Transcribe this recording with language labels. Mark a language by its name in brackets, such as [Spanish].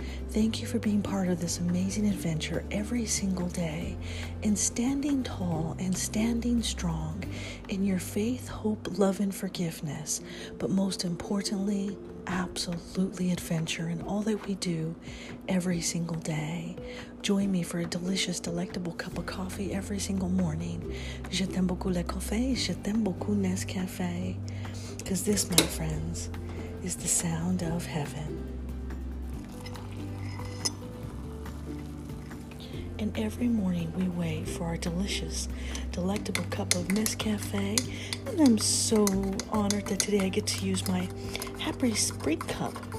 [English] Thank you for being part of this amazing adventure every single day and standing tall and standing strong in your faith, hope, love, and forgiveness, but most importantly, absolutely adventure in all that we do every single day. Join me for a delicious, delectable cup of coffee every single morning. [French] Je t'aime beaucoup le café, je t'aime beaucoup Nescafé. [English] Because this, my friends, is the sound of heaven. And every morning we wait for our delicious, delectable cup of Nescafé. And I'm so honored that today I get to use my Happy Spring cup.